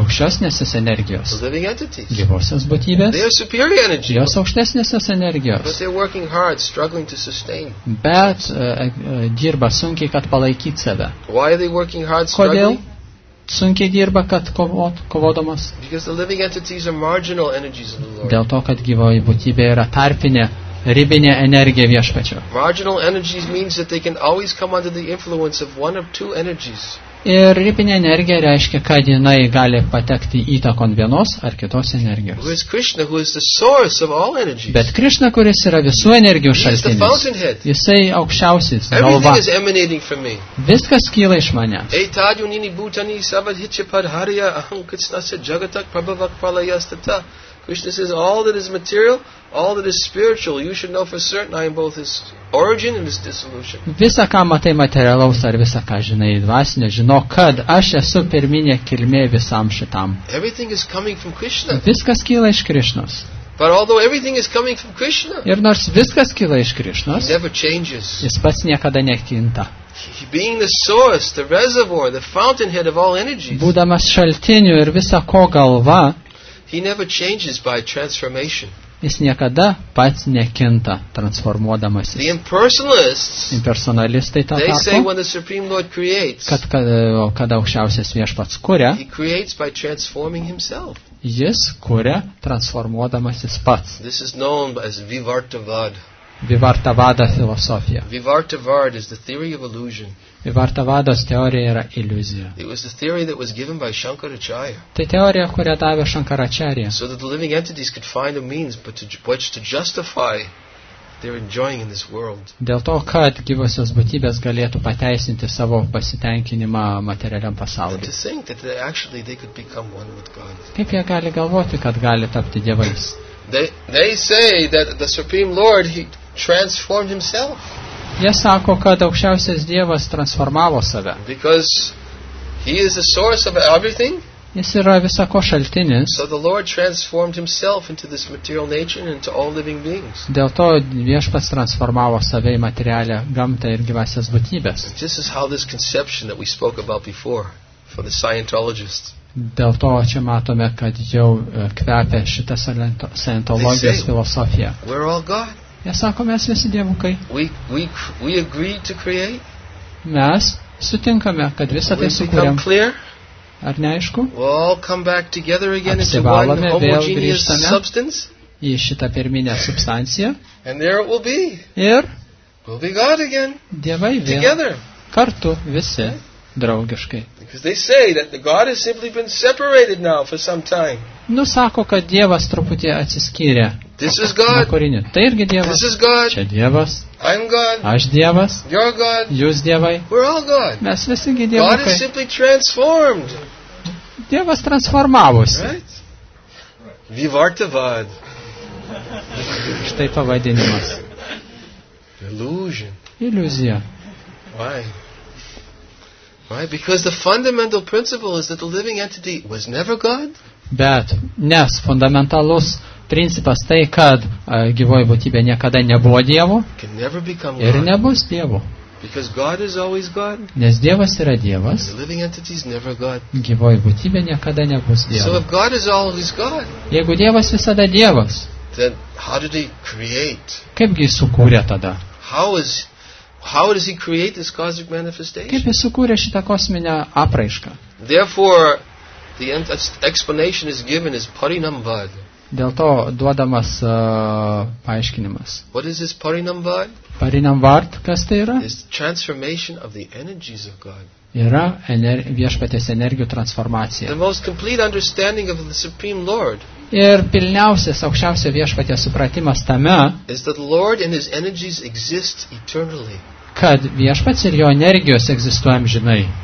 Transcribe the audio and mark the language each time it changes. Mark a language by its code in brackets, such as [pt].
[lt] aukštesnės energijos, gyvosios būtybės, jos aukštesnės energijos, bet dirba sunkiai, kad palaikyt save. Kodėl sunkiai dirba, kad kovodamas? Dėl to, kad gyvoji būtybė yra tarpinė, ribinė energija viešpačio. [en] Marginal energies means that they can always come under the influence of one of two energies. [lt] Ir ribinė energija reiškia, kad jinai gali patekti įtakon vienos ar kitos energijos. [en] Who is Krishna, who is the source of all energies. [lt] Bet Krishna, kuris yra visų energijų šaltinis, jisai aukščiausias, galva. [en] Everything is emanating from me. [lt] Viskas kyla iš manęs. [sa] Etadunini bhutani savadhichapad harya aham kitsnasya jagatak prabhavak palayastata. [en] Krishna says, all that is material, all that is spiritual, you should know for certain I am both his origin and his dissolution. [lt] Visa ką matai materialaus ar visa ką žinai dvasinio, žino, kad aš esu pirminė kilmė visam šitam. [en] Everything is coming from Krishna. [lt] Viskas kyla iš Krishnos. [en] But although everything is coming from Krishna, [lt] ir nors viskas kyla iš Krishnos, [en] he never changes. [lt] Jis pats niekada nekinta. [en] Being the source, the reservoir, the fountainhead of all energies. [lt] Būdamas šaltiniu ir visa ko galva, [en] he never changes by transformation. [lt] Jis niekada pats nekinta transformuodamasis. [en] The impersonalists, [lt] impersonalistai tą sako, [en] say when the Supreme Lord creates, [lt] kada aukščiausias viešpats kuria, [en] he creates by transforming himself. [lt] Jis kuria transformuodamasis pats. [en] This is known as Vivartavad. [lt] Vivartavada filosofija. [en] Vivartavada is the theory of illusion. [lt] Vivartavados teorija yra iliuzija. [en] It was the theory that was given by Shankaracharya. [lt] Tai teorija, kurią davė Shankaracharya. [en] So that the living entities could find a means but to justify their enjoying in this world. [lt] Dėl to, kad gyvosios būtybės galėtų pateisinti savo pasitenkinimą materialiam pasaulyje. [en] To think that actually they could become one with God. [lt] Kaip jie gali galvoti, kad gali tapti dievais? [en] They say that the Supreme Lord, he transformed himself. [lt] Jie sako, kad aukščiausias Dievas transformavo save. [en] Because he is the source of everything. [lt] Jis yra visako šaltinis. [en] So the Lord transformed himself into this material nature and into all living beings. [lt] Dėl to viešpats transformavo save į materialią gamtą ir gyvasias būtybes. [en] This is how this conception that we spoke about before for the Scientologists. [lt] Dėl to čia matome, kad jau kvepia šitą Scientologijos filosofiją. Jie sako, mes visi dievukai. Mes sutinkame, kad visą tai sukūrėm. Ar neaišku? Apsivalome, vėl grįžtame į šitą pirminę substanciją. Ir dievai vėl kartu visi draugiškai. [en] Because they say that the God has simply been separated now for some time. [lt] Nu sako, kad Dievas truputį atsiskyrė. [en] This is God. [lt] Nukorinė. Tai irgi Dievas. [en] This is God. [lt] Čia Dievas. [en] I'm God. [lt] Aš Dievas. [en] You're God. [lt] Jūs Dievai. [en] We're all God. [lt] Mes visi gi Dievai. [en] God has simply transformed. [lt] Dievas transformavosi. [en] Right? Vivartavad. [lt] Štai pavadinimas. [en] Illusion. [lt] Iliuzija. [en] Why? Right, because the fundamental principle is that the living entity was never God. [lt] Bet, nes fundamentalus principas tai, kad gyvoji būtybė niekada nebuvo Dievo. [en] Can never become God. [lt] Ir nebus Dievo. [en] Because God is always God. [lt] Nes Dievas yra Dievas. [en] The living entity is never God. [lt] Gyvoji būtybė niekada nebus Dievo. [en] So if God is always God. [lt] Jeigu Dievas visada Dievas. [en] Then how did he create? [lt] Kaipgi sukūrė tada? [en] How does he create this cosmic manifestation? [lt] Kaip jis sukūrė šitą kosminę apraišką? [en] Therefore, the explanation is given as Parinambad. [lt] Dėl to duodamas paaiškinimas. [en] What is this Parinambad? [lt] Parinambad, kas tai yra? [en] It's transformation of the energies of God. [lt] Yra viešpatės energijų transformacija. [en] The most complete understanding of the Supreme Lord. [lt] Ir pilniausias, aukščiausio viešpatės supratimas tame, [en] is that the Lord and his energies exist eternally. [lt] Kad viešpats ir jo energijos egzistuoja amžinai.